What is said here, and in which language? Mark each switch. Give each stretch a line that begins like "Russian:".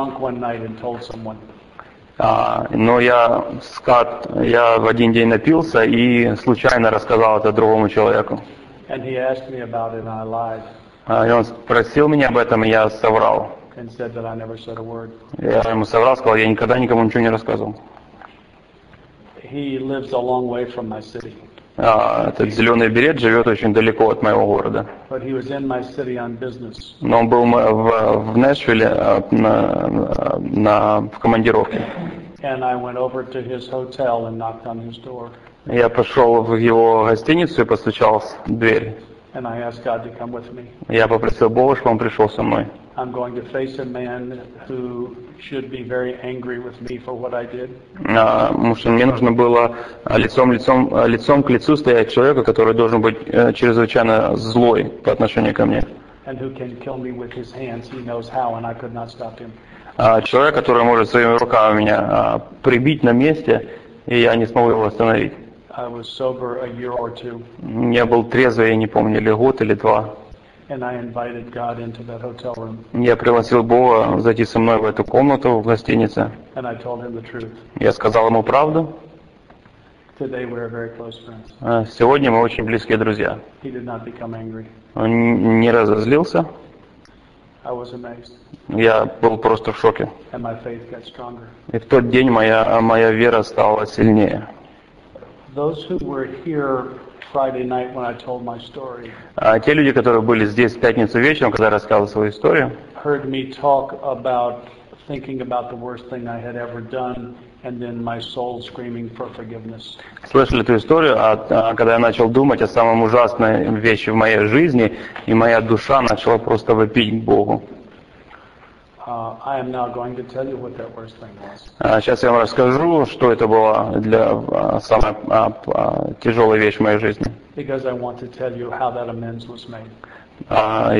Russian: Но я в один день напился и случайно рассказал это другому человеку.
English: And he asked me about it, and I lied.
Russian: И он спросил меня об этом, и я соврал.
English: And said that I never said a word.
Russian: Я ему соврал, сказал, я никогда никому ничего не рассказывал.
English: He lives a long way from my city.
Russian: Этот зеленый берет живет очень далеко от моего города.
English: But he was in my city on business.
Russian: Но он был в Нэшвилле в командировке.
English: And I went over to his hotel and knocked on his door.
Russian: Я пошел в его гостиницу и постучал в дверь.
English: And I asked God to come with me.
Russian: Я попросил Бога, чтобы он пришел со мной.
English: I'm going to face a man who should be very angry with me for what I did.
Russian: Потому что мне нужно было лицом к лицу стоять человека, который должен быть чрезвычайно злой по отношению ко мне.
English: And who can kill me with his hands? He knows how, and I could not stop him.
Russian: Человек, который может своими руками меня прибить на месте, и я не смог его остановить.
English: I was sober a year or two.
Russian: Я был трезвый, я не помню, или год, или два.
English: And I invited God into that hotel room.
Russian: Я пригласил Бога зайти со мной в эту комнату в гостинице.
English: And I told him the truth.
Russian: Я сказал ему правду.
English: Today we are very close friends.
Russian: Сегодня мы очень близкие друзья.
English: He did not become angry.
Russian: Он не разозлился.
English: I was amazed.
Russian: Я был просто в шоке.
English: And my faith got stronger.
Russian: И в тот день моя вера стала сильнее.
English: Those who were here Friday night when I told my story.
Russian: Те люди, которые были здесь в пятницу вечером, когда я рассказывал свою историю.
English: Heard me talk about thinking about the worst thing I had ever done, and then my soul screaming for forgiveness.
Russian: Слышали эту историю, когда я начал думать о самой ужасной вещи в моей жизни, и моя душа начала просто вопить к Богу.
English: I am now going to tell you what that worst thing was.
Russian: Сейчас я вам расскажу, что это была для самая тяжелая вещь в моей жизни.
English: Because I want to tell you how that amends was made.